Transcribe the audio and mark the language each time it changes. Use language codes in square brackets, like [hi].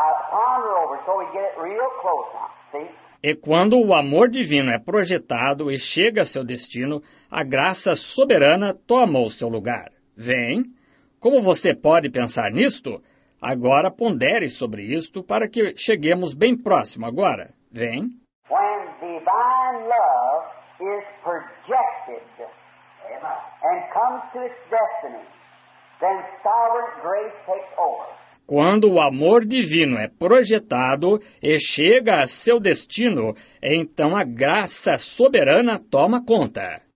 [en] Ponder over so we get it real close now. See? [pt] E quando o amor divino é projetado e chega a seu destino, a graça soberana toma o seu lugar. Vem. Como você pode pensar nisto? Agora pondere sobre isto para que cheguemos bem próximo agora. Vem. [en] When divine love is projected and comes to its destiny, then sovereign grace takes over. [pt] Quando o amor divino é projetado e chega a seu destino, então a graça soberana toma conta.